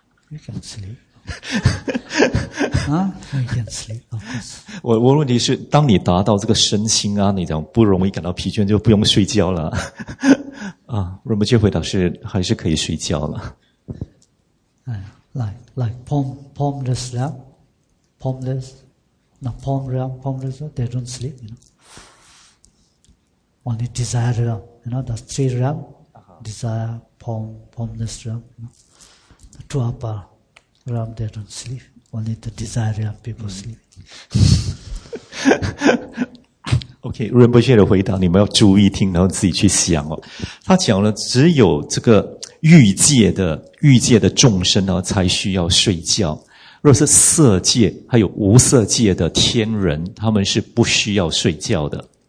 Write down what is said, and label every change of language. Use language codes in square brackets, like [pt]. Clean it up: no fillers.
[en] You can sleep. You can sleep, of course. [zh] 我问题是当你达到这个身心啊，你讲不容易感到疲倦就不用睡觉了。啊，那么这回答是还是可以睡觉了。 [en] Like palmless realm, palmless, not palm realm, palmless, they don't sleep, you know. only desire realm, you know, the three realm, desire, form, formless realm, you know, the two upper realm, they don't sleep. Only the desire realm people sleep. [zh] OK, 仁波切 的回答，你们要注意听，然后自己去想哦。他讲了，只有这个欲界的众生呢，才需要睡觉。若是色界还有无色界的天人，他们是不需要睡觉的。